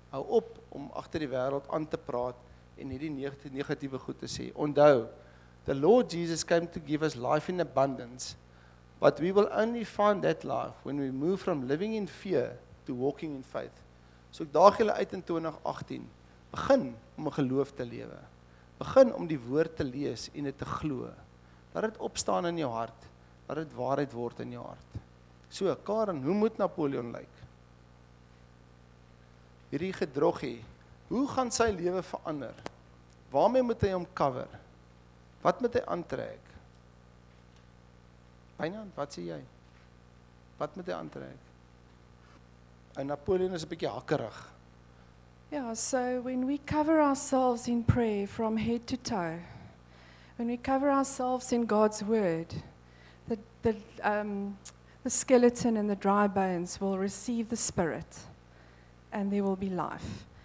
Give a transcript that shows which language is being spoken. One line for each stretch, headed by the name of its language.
Afrikaans: Hou op om agter die wêreld aan te praat en hierdie negatiewe goed te sê. Onthou,
English: the Lord Jesus came to give us life in abundance, but we will only find that life when we move from living in fear to walking in faith.
Afrikaans: So ek daag julle uit in 2018. Begin om 'n geloof te lewe. Begin om die woord te lees en dit te glo. Laat dit opstaan in jou hart. Laat dit waarheid word in jou hart. So, Karen, hoe moet Napoleon lyk? Hierdie gedroggie, hoe gaan sy lewe verander? Waarmee moet hy hom cover? Wat moet hy aantrek? Wynand, wat sê jy? Wat moet hy aantrek? En Napoleon is 'n bietjie hakkerig.
English: Yeah, so when we cover ourselves in prayer from head to toe, when we cover ourselves in God's word, the skeleton and the dry bones will receive the spirit and there will be life.